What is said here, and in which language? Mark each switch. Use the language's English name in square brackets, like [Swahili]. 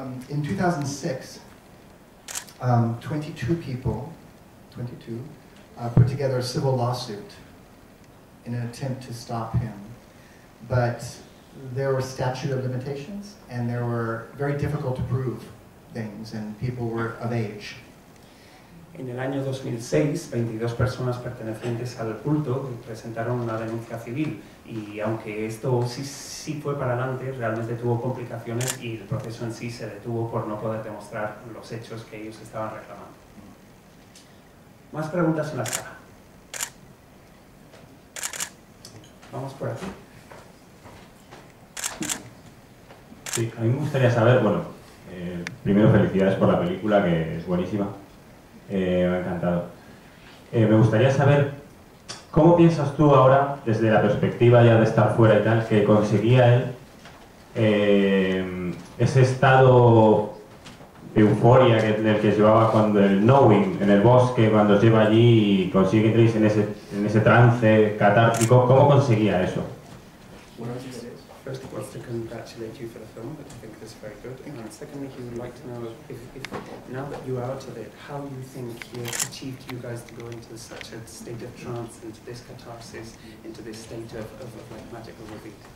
[English] In 2006, 22 people put together a civil lawsuit in an attempt to stop him. But there were statute of limitations, and there were very difficult to prove things, and people were of age. [Spanish] En el año 2006, 22 personas pertenecientes al culto presentaron una denuncia civil, y aunque esto sí fue para adelante, realmente tuvo complicaciones y el proceso en sí se detuvo por no poder demostrar los hechos que ellos estaban reclamando. Más preguntas en la sala. Vamos por aquí. Sí, a mí me gustaría saber, bueno, primero felicidades por la película, que es buenísima. Me ha encantado. Me gustaría saber, ¿cómo piensas tú ahora, desde la perspectiva ya de estar fuera y tal, que conseguía él ese estado de euforia que, en el que llevaba cuando el knowing, en el bosque, cuando lleva allí y consigue entrar en ese trance catártico? ¿Cómo conseguía eso? [English] First of all, to congratulate you for the film, but I think it's very good. And secondly, he would like to know if now that you're out of it, how you think you achieved you guys to go into such a state of trance, into this catharsis, into this state of like magical relief.